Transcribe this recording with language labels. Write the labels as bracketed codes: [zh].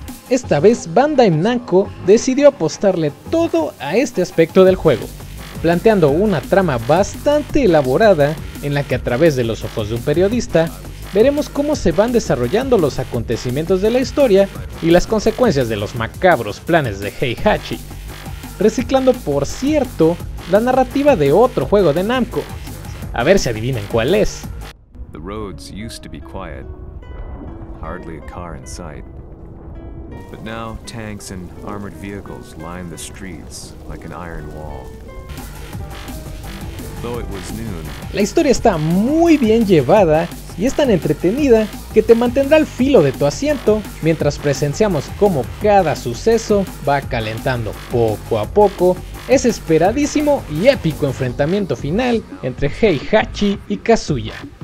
[es] Esta vez Bandai Namco decidió apostarle todo a este aspecto del juego, planteando una trama bastante elaborada en la que a través de los ojos de un periodista veremos cómo se van desarrollando los acontecimientos de la historia y las consecuencias de los macabros planes de Heihachi, reciclando por cierto la narrativa de otro juego de Namco. A ver si adivinen cuál es. [en] The roads used to be quiet. Hardly a car in sight. But now, tanks and armored vehicles line the streets like an iron wall. Though it was noon. [es] La historia está muy bien llevada y es tan entretenida que te mantendrá al filo de tu asiento mientras presenciamos cómo cada suceso va calentando poco a poco ese esperadísimo y épico enfrentamiento final entre Heihachi y Kazuya.